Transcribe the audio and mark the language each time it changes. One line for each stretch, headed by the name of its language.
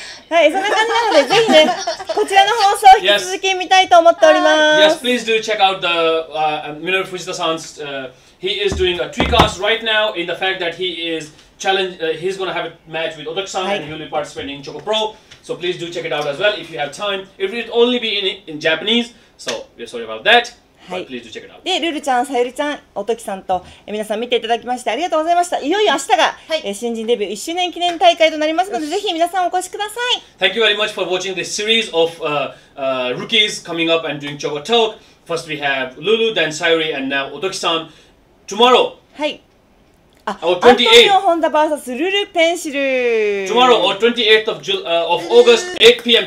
Japanese: はい、そんな感じなのでぜひね、こちらの放送引き続き見たいと思っております。
English: Yes, please do check out the Minoru Fujita-san's. He is doing a TwiCast right now in the fact that he is challenge. He's gonna have a match with Otaku-san、はい、and he'll be participating in Choco Pro. So please do check it out as well if you have time. It will only be in Japanese. So we're sorry about that.、はい、but please do check it out.
Japanese: で、ルルちゃん、さゆりちゃん、おときさんと皆さん見ていただきましてありがとうございました。いよいよ明日が、はい、新人デビュー1周年記念大会となりますので、ぜひ皆さんお越しください。
English: Thank you very much for watching this series of rookies coming up and doing Choco Talk. First we have Lulu, then Sayuri, and now Otaki-san. Tomorrow. はい。あ、28th. Antonio Honda vs. Lulu Pencil. Tomorrow, or 28th of July, of August, 8 p.m.